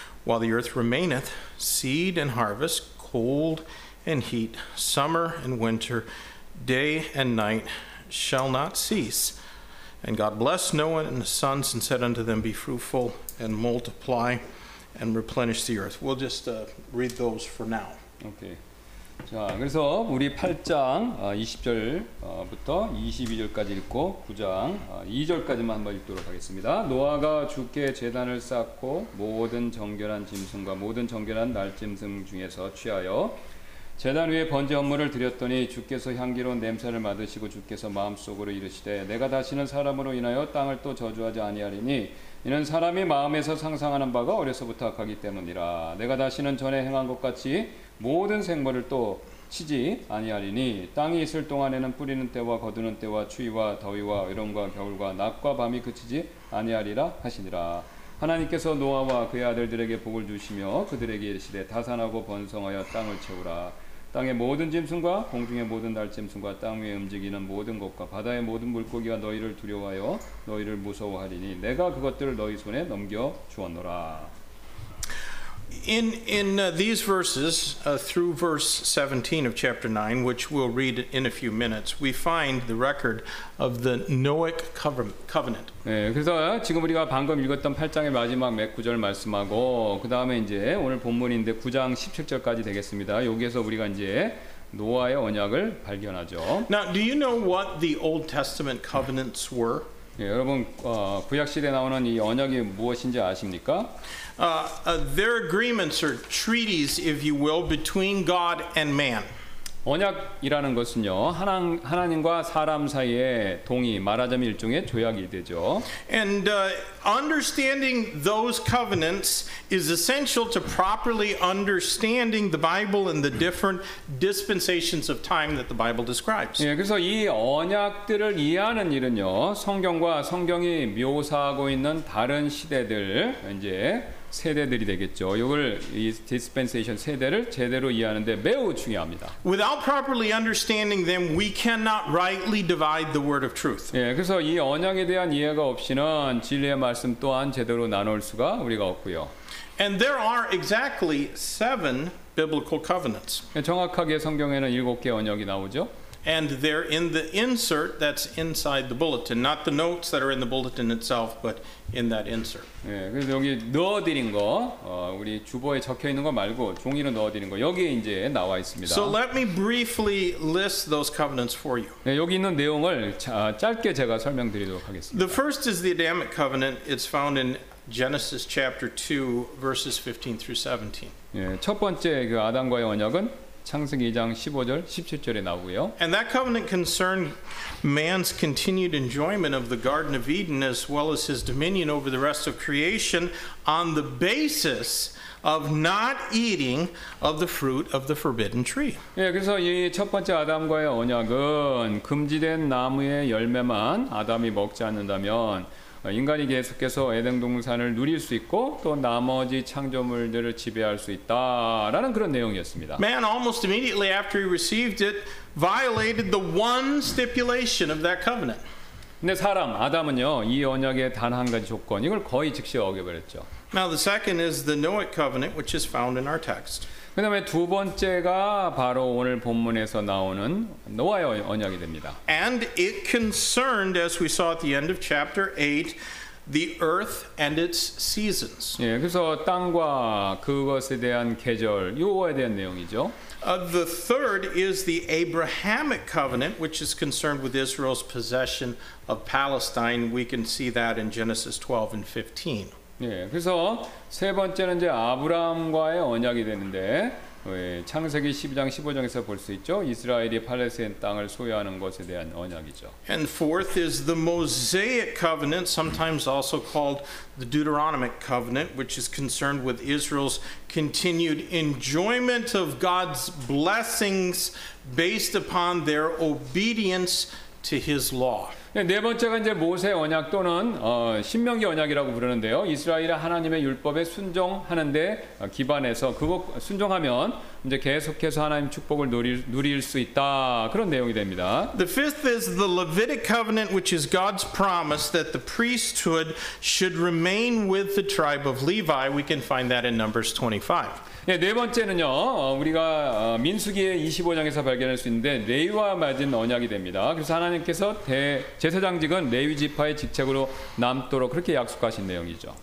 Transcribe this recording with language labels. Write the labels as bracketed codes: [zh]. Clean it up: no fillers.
[en] While the earth remaineth, seed and harvest, cold and heat, summer and winter, day and night shall not cease. And God blessed Noah and his sons and said unto them, be fruitful and multiply and replenish the earth. We'll just read those for now. Okay. [ko] 자, 그래서 우리 8장 20절부터 22절까지 읽고 9장 2절까지만 한번 읽도록 하겠습니다. 노아가 주께 제단을 쌓고 모든 정결한 짐승과 모든 정결한 날짐승 중에서 취하여 제단 위에 번제 헌물을 드렸더니 주께서 향기로운 냄새를 맡으시고 주께서 마음속으로 이르시되 내가 다시는 사람으로 인하여 땅을 또 저주하지 아니하리니 이는 사람이 마음에서 상상하는 바가 어려서부터 악하기 때문이라 내가 다시는 전에 행한 것 같이 모든 생물을 또 치지 아니하리니 땅이 있을 동안에는 뿌리는 때와 거두는 때와 추위와 더위와 여름과 겨울과 낮과 밤이 그치지 아니하리라 하시니라 하나님께서 노아와 그의 아들들에게 복을 주시며 그들에게 이르시되 다산하고 번성하여 땅을 채우라 땅의 모든 짐승과 공중의 모든 날짐승과 땅 위에 움직이는 모든 것과 바다의 모든 물고기가 너희를 두려워하여 너희를 무서워하리니 내가 그것들을 너희 손에 넘겨 주었노라. [en] In these verses, through verse 17 of chapter 9, which we'll read in a few minutes, we find the record of the Noahic covenant. [ko] 네, 그래서 지금 우리가 방금 읽었던 8장의 마지막 몇 구절 말씀하고 그 다음에 이제 오늘 본문인데 9장 17절까지 되겠습니다. 여기에서 우리가 이제 노아의 언약을 발견하죠. [en] Now, do you know what the Old Testament covenants were? [ko] 예, 여러분 구약 시대에 나오는 이 언약이 무엇인지 아십니까? [en] Their agreements or treaties, if you will, between God and man. [ko] 언약이라는 것은요 하나님과 사람 사이의 동의, 말하자면 일종의 조약이 되죠. [en] And understanding those covenants is essential to properly understanding the Bible and the different dispensations of time that the Bible describes. [ko] 예, 그래서 이 언약들을 이해하는 일은요 성경과 성경이 묘사하고 있는 다른 시대들 이제 세대들이 되겠죠. 이걸 이 dispensation 세대를 제대로 이해하는데 매우 중요합니다. [en] Without properly understanding them, we cannot rightly divide the word of truth. [ko] 예, 그래서 이 언약에 대한 이해가 없이는 진리의 말씀 또한 제대로 나눌 수가 우리가 없고요. [en] And there are exactly seven biblical covenants. [ko] 정확하게 성경에는 일곱 개 언약이 나오죠. [en] And they're in the insert that's inside the bulletin, not the notes that are in the bulletin itself, but in that insert. [ko] 예, 그래서 여기 넣어드린 거, 우리 주보에 적혀 있는 거 말고 종이로 넣어드린 거 여기 이제 나와 있습니다. [en] So let me briefly list those covenants for you. [ko] 예, 여기 있는 내용을 짧게 제가 설명드리도록 하겠습니다. [en] The first is the Adamic covenant. It's found in Genesis chapter 2, verses 15 through 17. [ko] 예, 첫 번째 그 아담과의 언약은 창세기 2장 15절, 17절에 나오고요. [en] And that covenant concerned man's continued enjoyment of the Garden of Eden as well as his dominion over the rest of creation on the basis of not eating of the fruit of the forbidden tree. [ko] 예, 그래서 이 첫 번째 아담과의 언약은 금지된 나무의 열매만 아담이 먹지 않는다면 인간이 계속해서 에덴 동산을 누릴 수 있고 또 나머지 창조물들을 지배할 수 있다라는 그런 내용이었습니다. [en] Man almost immediately after he received it violated the one stipulation of that covenant. [ko] 근데 사람 아담은요 이 언약의 단 한 가지 조건 이걸 거의 즉시 어겨버렸죠. [en] Now the second is the Noahic covenant, which is found in our text. [ko] 그 다음에 두 번째가 바로 오늘 본문에서 나오는 노아의 언약이 됩니다. [en] And it concerned, as we saw at the end of chapter 8, the earth and its seasons. [ko] 예, 그래서 땅과 그것에 대한 계절, 요거에 대한 내용이죠. [en] The third is the Abrahamic covenant, which is concerned with Israel's possession of Palestine. We can see that in Genesis 12 and 15. [ko] 예, 그래서 세 번째는 이제 아브라함과의 언약이 되는데 창세기 12장 15장에서 볼 수 있죠. 이스라엘이 팔레스타인 땅을 소유하는 것에 대한 언약이죠. [en] And fourth is the Mosaic covenant, sometimes also called the Deuteronomic covenant, which is concerned with Israel's continued enjoyment of God's blessings based upon their obedience to his law. [ko] 네 번째가 이제 모세 언약 또는 신명기 언약이라고 부르는데요. 이스라엘이 하나님의 율법에 순종하는데 기반해서 그거 순종하면 이제 계속해서 하나님 축복을 누릴 수 있다 그런 내용이 됩니다. [en] The fifth is the Levitic covenant, which is God's promise that the priesthood should remain with the tribe of Levi. We can find that in Numbers 25. [ko] 네, 네 번째는요. 우리가 민수기의 25장에서 발견할 수 있는데 레위와 맺은 언약이 됩니다. 그래서 하나님께서 제사장직은 레위 지파의 직책으로 남도록 그렇게 약속하신 내용이죠.